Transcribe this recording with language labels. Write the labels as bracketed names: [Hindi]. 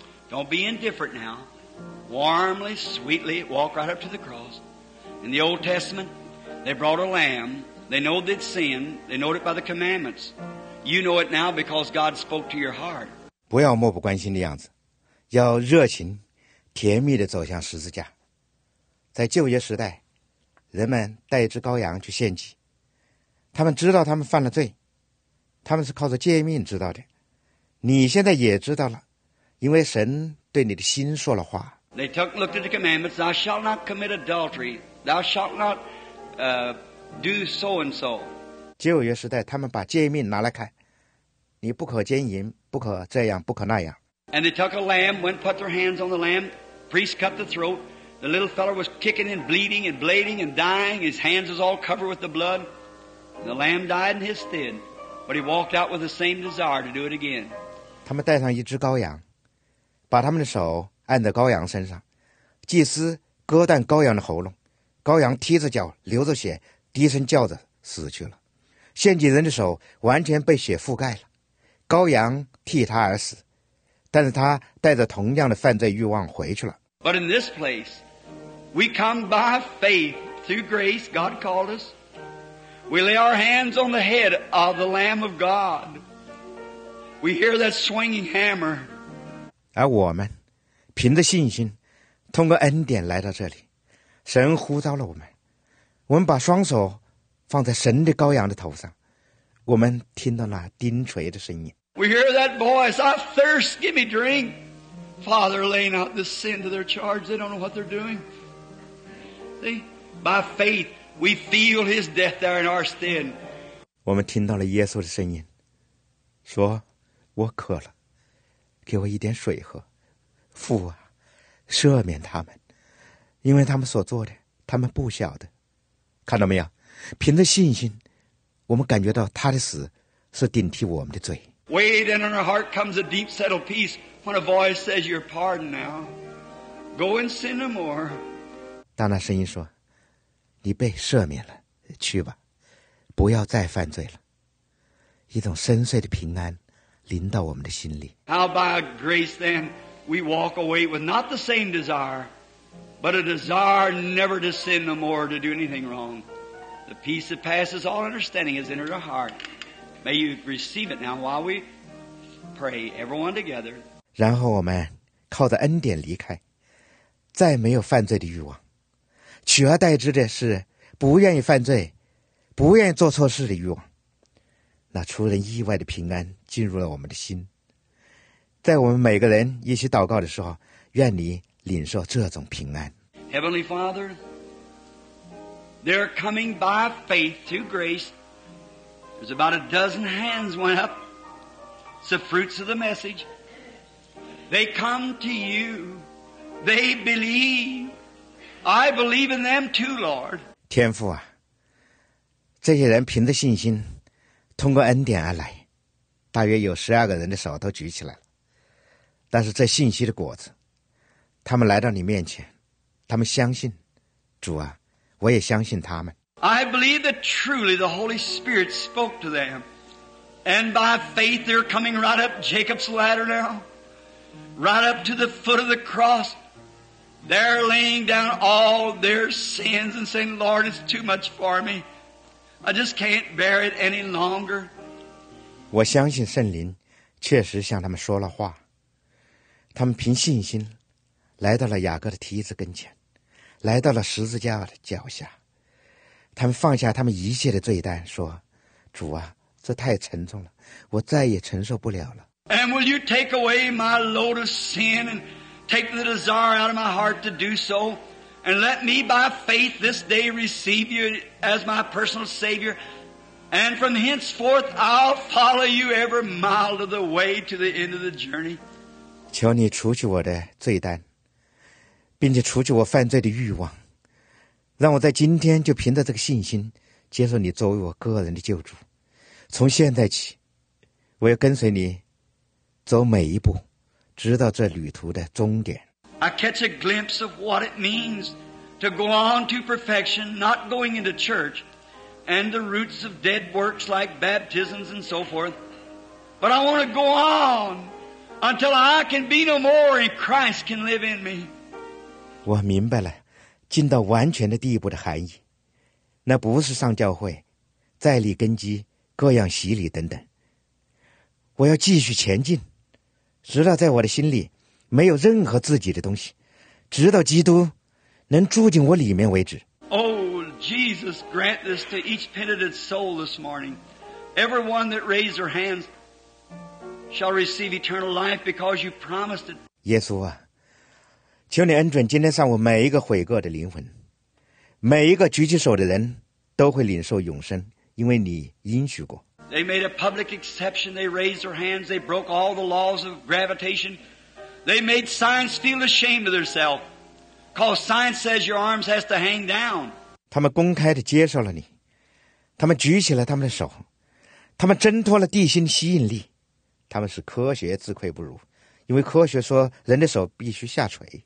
[English] Don't be indifferent now. Warmly, sweetly, walk right up to the cross. In the Old Testament, they brought a lamb. They know they'd sin. They know it by the commandments. You know it now because God spoke to your heart. [Chinese] 不要漠不关心的样子，要热情、甜蜜地走向十字架。在旧约时代，人们带一只羔羊去献祭。他们知道他们犯了罪，他们是靠着诫命知道的。你现在也知道了，因为神对你的心说了话。 [English] They looked at the commandments, thou shalt not commit adultery, thou shalt not do so and so. [Chinese] 旧约时代他们把诫命拿来看，你不可奸淫，不可这样，不可那样。 [English] And they took a lamb, went and put their hands on the lamb, priest cut the throat, the little fellow was kicking and bleeding and blading and dying, his hands was all covered with the blood, and the lamb died in his stead, but he walked out with the same desire to do it again. [Chinese] 他们带上一只羔羊，把他们的手按在羔羊身上，祭司割断羔羊的喉咙，羔羊踢着脚流着血低声叫着死去了，献祭人的手完全被血覆盖了，羔羊替他而死，但是他带着同样的犯罪欲望回去了。 [English] But in this place we come by faith through grace God called us. We lay our hands on the head of the Lamb of God. We hear that swinging hammer. [Chinese] 而我们凭着信心通过恩典来到这里，神呼召了我们，我们把双手放在神的羔羊的头上，我们听到那钉锤的声音。 [English] We hear that voice, I thirst, give me drink. Father, lay not this sin to their charge. They don't know what they're doing. See, by faith, we feel his death there in our stead. [Chinese] 我们听到了耶稣的声音，说我渴了，给我一点水喝。父啊，赦免他们，因为他们所做的，他们不晓得。看到没有？凭着信心，我们感觉到他的死是顶替我们的罪。 [English] Wait, and in our heart comes a deep, settled peace when a voice says, "You're pardoned now. Go and sin no more." [Chinese] 当那声音说：“你被赦免了，去吧，不要再犯罪了。” 一种深邃的平安临到我们的心里。 [English] How by grace then? We walk away with not the same desire, but a desire never to sin no more, to do anything wrong. The peace that passes all understanding has entered our heart. May you receive it now while we pray, everyone together. [Chinese] 然后我们靠着恩典离开，再没有犯罪的欲望，取而代之的是不愿意犯罪，不愿意做错事的欲望。那出人意外的平安进入了我们的心。在我们每个人一起祷告的时候，愿你领受这种平安。 [English] Heavenly Father, they're coming by faith through grace. There's about a dozen hands went up. It's the fruits of the message. They come to you. They believe. I believe in them too, Lord. [Chinese] 天父啊，这些人凭着信心，通过恩典而来，大约有12个人的手都举起来了。但是这信息的果子，他们来到你面前，他们相信主啊，我也相信他们。 [English] I believe that truly the Holy Spirit spoke to them, and by faith they're coming right up Jacob's ladder now, right up to the foot of the cross. They're laying down all their sins and saying, Lord, it's too much for me. I just can't bear it any longer. [Chinese] 我相信圣灵确实向他们说了话，他们凭信心来到了雅各的蹄子跟前，来到了十字架的脚下，他们放下他们一切的罪担，说，主啊，这太沉重了，我再也承受不了了。 [English] And will you take away my load of sin and take the desire out of my heart to do so, and let me by faith this day receive you as my personal Savior, and from henceforth I'll follow you every mile of the way to the end of the journey. [Chinese] 求你除去我的罪担，并且除去我犯罪的欲望，让我在今天就凭着这个信心接受你作为我个人的救主，从现在起我要跟随你走每一步，直到这旅途的终点。 [English] I catch a glimpse of what it means to go on to perfection, not going into church and the roots of dead works like baptisms and so forth, but I want to go on until I can be no more and Christ can live in me. [Chinese] 我明白了进到完全的地步的含义，那不是上教会再立根基各样洗礼等等，我要继续前进，直到在我的心里没有任何自己的东西，直到基督能住进我里面为止。 [English] Oh Jesus, grant this to each penitent soul this morning. Everyone that raised their hands shall receive eternal life because you promised it. [Chinese] 耶稣啊，求你恩准今天上午每一个悔过的灵魂，每一个举起手的人都会领受永生，因为你应许过。 [English] They made a public exception. They raised their hands. They broke all the laws of gravitation. They made science feel ashamed of themselves, because science says your arms has to hang down. [Chinese] 他们公开地接受了你，他们举起了他们的手，他们挣脱了地心吸引力，他们使科学自愧不如，因为科学说人的手必须下垂。